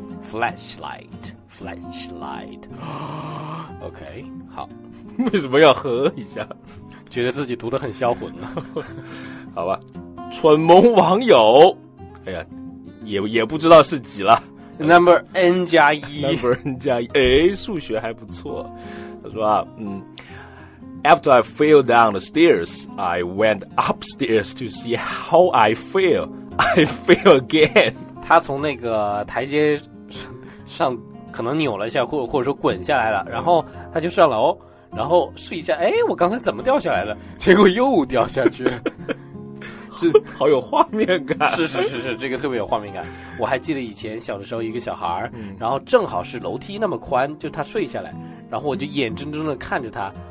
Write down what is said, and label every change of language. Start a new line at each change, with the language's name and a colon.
English: flashlight OK，
Chinese: 好，为什么要喝一下，觉得自己读得很销魂呢？好吧，蠢萌网友，哎呀，也不知道是几了。 number n 加一 number n 加一，哎，数学还不错。他说啊，嗯，
English: After I fell down the stairs, I went upstairs to see how I fell. I fell again.
Chinese: 他从那个台阶上可能扭了一下，或者说滚下来了，然后他就上楼，然后试一下，哎，我刚才怎么掉下来的？结果又掉下去。这好有画面感。是是是是，这个特别有画面感。我还记得以前小的时候，一个小孩，然后正好是楼梯那么宽，就他睡下来，然后我就眼睁睁的看着他。